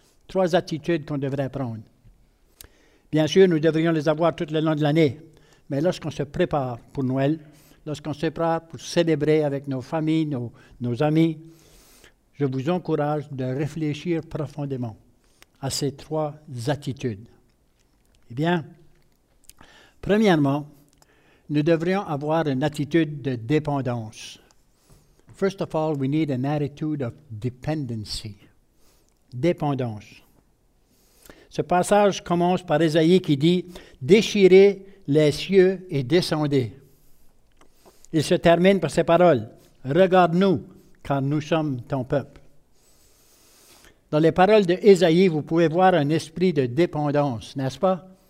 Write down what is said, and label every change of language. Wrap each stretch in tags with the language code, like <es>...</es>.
<fr>Trois attitudes qu'on devrait prendre. Bien sûr, nous devrions les avoir tout le long de l'année, mais lorsqu'on se prépare pour Noël, lorsqu'on se prépare pour célébrer avec nos familles, nos amis, je vous encourage de réfléchir profondément à ces trois attitudes. Eh bien, premièrement, nous devrions avoir une attitude de dépendance.</fr> <en>First of all, we need an attitude of dependency.</en> <fr>Dépendance. Ce passage commence par Ésaïe qui dit « Déchirez les cieux et descendez ». Il se termine par ces paroles « Regarde-nous, car nous sommes ton peuple ». Dans les paroles de Ésaïe, vous pouvez voir un esprit de dépendance, n'est-ce pas?</fr>